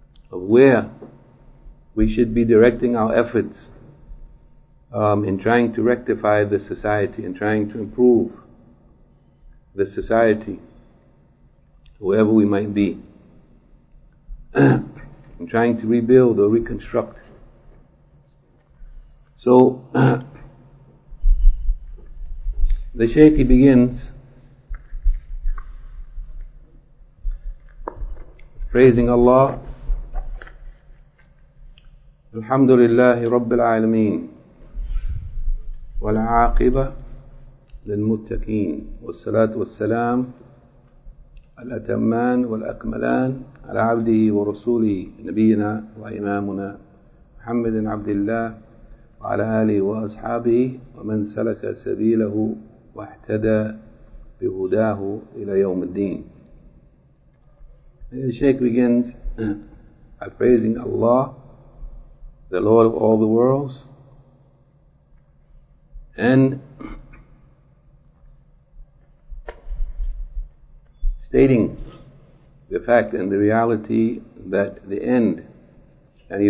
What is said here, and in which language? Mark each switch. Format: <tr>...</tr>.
<en>where we should be directing our efforts in trying to rectify the society and trying to improve the society, wherever we might be, in trying to rebuild or reconstruct. So, the Shaykh, he begins praising Allah.</en> <ar>الحمد لله رب العالمين والعاقبة للمتقين والصلاة والسلام الأتمان والأكملان على عبده ورسوله نبينا وإمامنا محمد عبد الله وعلى آله وأصحابه ومن سلك سبيله واهتدى بهداه إلى يوم الدين.</ar> <en>The Shaykh begins by praising Allah, the Lord of all the worlds, and stating the fact and the reality that the end, i.e.</en>